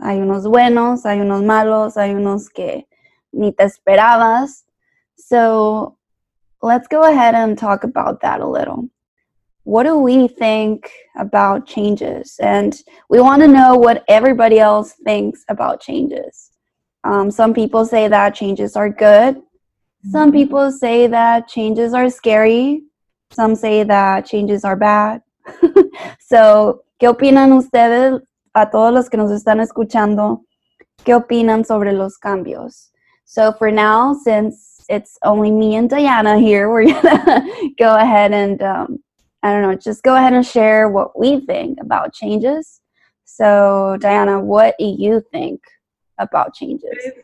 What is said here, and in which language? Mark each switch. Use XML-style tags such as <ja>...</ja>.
<es>Hay unos buenos, hay unos malos, hay unos que ni te esperabas.</es> <en>So let's go ahead and talk about that a little. What do we think about changes? And we want to know what everybody else thinks about changes. Some people say that changes are good. Some people say that changes are scary. Some say that changes are bad. So,</en> <es>¿qué opinan ustedes a todos los que nos están escuchando? ¿Qué opinan sobre los cambios?</es> <en>So for now, since it's only me and Diana here, we're going to go ahead and, just go ahead and share what we think about changes. So Diana, what do you think about changes?</en>